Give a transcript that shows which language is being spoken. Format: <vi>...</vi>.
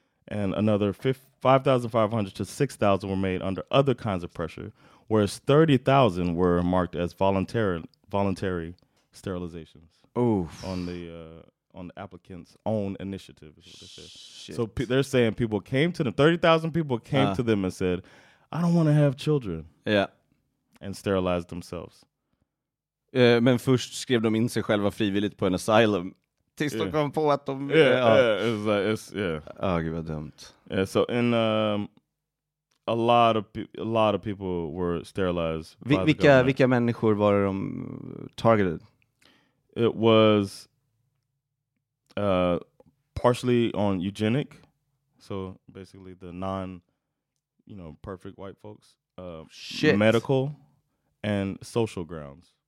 <en>And another 5,500 to 6,000 were made under other kinds of pressure, whereas 30,000 were marked as voluntary sterilizations. Oof. on the applicant's own initiative is what they say. Shit. So they're saying people came to them, 30,000 people came to them and said, I don't want to have children. Yeah. And sterilized themselves.</en> <sv>Men först skrev de in sig själva frivilligt på en asylum tills de kom på att de</sv> <en>Yeah.</en> <sv>Oh, gud vad dumt.</sv> <en>Yeah, so in a lot of people were sterilized.</en> <sv>Vilka människor var de targeted?</sv> <en>It was partially on eugenic, so basically the non-perfect white folks, medical and social grounds.</en>